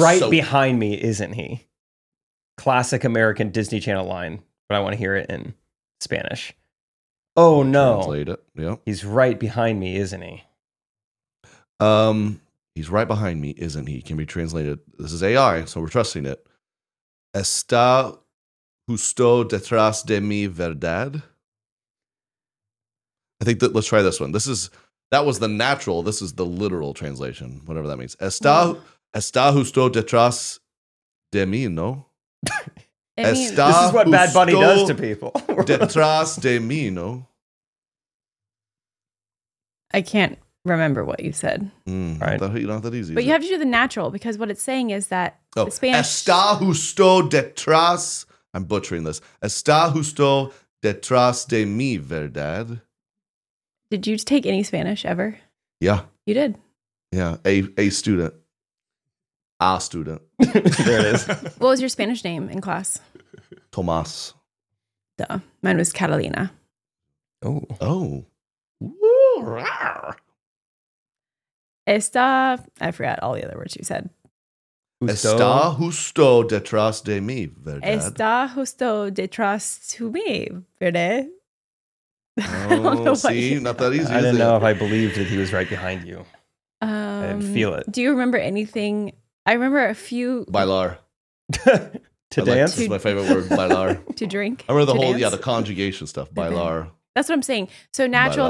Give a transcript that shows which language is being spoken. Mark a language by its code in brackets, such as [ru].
[en] right behind me, isn't he? Classic American Disney Channel line, but I want to hear it in Spanish. Oh, no. Translate it, yeah. He's right behind me, isn't he? He's right behind me, isn't he? Can be translated. This is AI, so we're trusting it. [es] Está justo detrás de mi verdad? [en] I think that, let's try this one. That was the natural, this is the literal translation, whatever that means. [es] Está justo detrás de mí, no? [en] This is what Bad Bunny does to people. [es] Detrás de mí, no? [en] I can't remember what you said. Right. Not that easy. But you have to do the natural, because what it's saying is that the Spanish... [es] Está justo detrás... [en] I'm butchering this. [es] Está justo detrás de mí, verdad? [en] Did you take any Spanish ever? Yeah. You did. Yeah, a student. There it is. What was your Spanish name in class? Tomas. Duh. Mine was Catalina. Oh. Oh. Woo! Rawr. Esta, I forgot all the other words you said. [es] Justo? Está justo detrás de mí, ¿verdad? Está justo detrás de mí, ¿verdad? [en] Oh, I don't know see? Not that easy, I didn't it? Know if I believed that he was right behind you. I didn't feel it. Do you remember anything? I remember a few... [es] Bailar. [en] To I dance? Like, this is my favorite word, bailar. To drink? I remember the to whole, dance? Yeah, the conjugation stuff, bailar. That's what I'm saying. So natural, bailar.